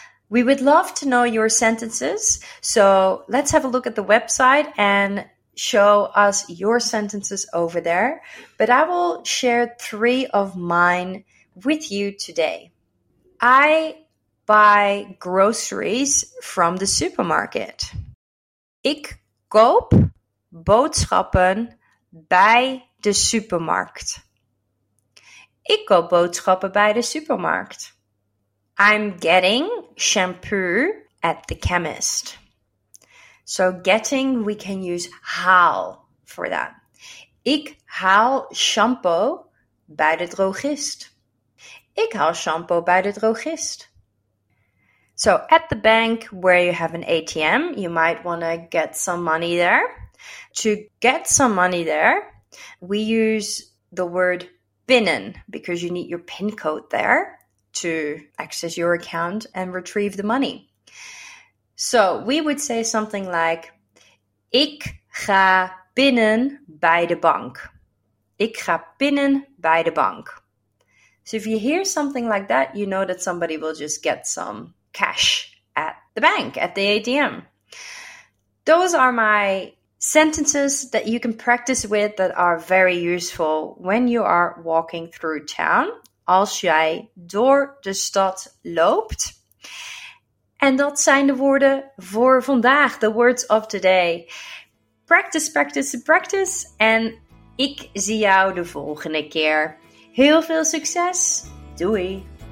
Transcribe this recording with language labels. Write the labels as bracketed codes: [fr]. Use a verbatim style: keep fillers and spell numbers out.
[en] We would love to know your sentences. So let's have a look at the website and show us your sentences over there. But I will share three of mine with you today. I buy groceries from the supermarket. [nl] Ik koop boodschappen bij de supermarkt. Ik koop boodschappen bij de supermarkt. [en] I'm getting shampoo at the chemist. So getting, we can use haal for that. [nl] Ik haal shampoo bij de drogist. Ik haal shampoo bij de drogist. [en] So at the bank where you have an A T M, you might want to get some money there. To get some money there, we use the word pinnen because you need your PIN code there to access your account and retrieve the money. So we would say something like, [nl] ik ga pinnen bij de bank. Ik ga pinnen bij de bank. [en] So if you hear something like that, you know that somebody will just get some cash at the bank, at the A T M. Those are my sentences that you can practice with that are very useful when you are walking through town. [nl] Als jij door de stad loopt. En dat zijn de woorden voor vandaag, [en] the words of today. Practice, practice, practice. [nl] En ik zie jou de volgende keer. Heel veel succes. Doei.